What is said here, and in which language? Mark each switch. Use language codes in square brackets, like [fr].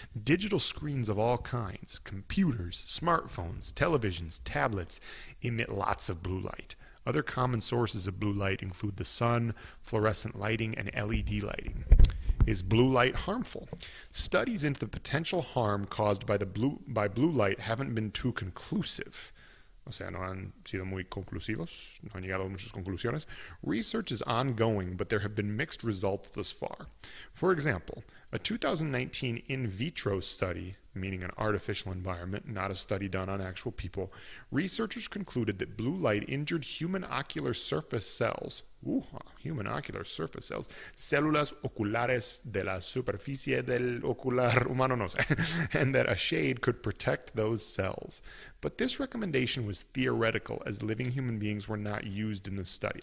[en] Digital screens of all kinds, computers, smartphones, televisions, tablets, emit lots of blue light. Other common sources of blue light include the sun, fluorescent lighting, and LED lighting. Is blue light harmful? Studies into the potential harm caused by blue light haven't been too conclusive. [es] O sea, no han sido muy conclusivos, no han llegado a muchas conclusiones. [en] Research is ongoing, but there have been mixed results thus far. For example, a 2019 in vitro study, meaning an artificial environment, not a study done on actual people, researchers concluded that blue light injured human ocular surface cells. Ooh, human ocular surface cells. [es] Células oculares de la superficie del ocular humano, no sé. [en] And that a shade could protect those cells. But this recommendation was theoretical, as living human beings were not used in the study.